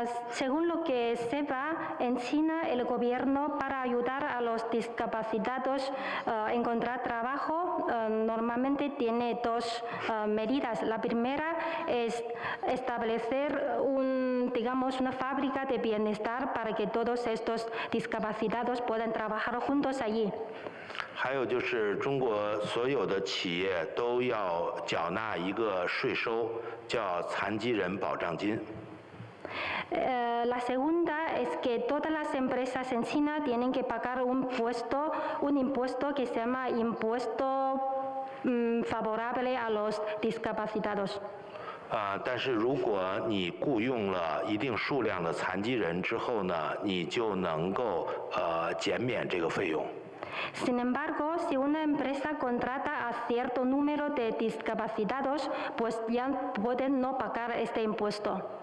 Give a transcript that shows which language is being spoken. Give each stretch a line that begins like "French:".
Spanish: Según lo que sepa, en China el gobierno para ayudar a los discapacitados encontrar trabajo normalmente tiene dos medidas. La primera es establecer una fábrica de bienestar para que todos estos discapacitados puedan trabajar juntos allí.
Chinese: 还有就是中国所有的企业都要缴纳一个税收，叫残疾人保障金。
Spanish: La segunda es que todas las empresas en China tienen que pagar un impuesto que se llama impuesto favorable a los discapacitados.
Chinese: 但是如果你雇用了一定数量的残疾人之后呢，你就能够减免这个费用。
Spanish: Sin embargo, si una empresa contrata a cierto número de discapacitados, pues ya pueden no pagar este impuesto.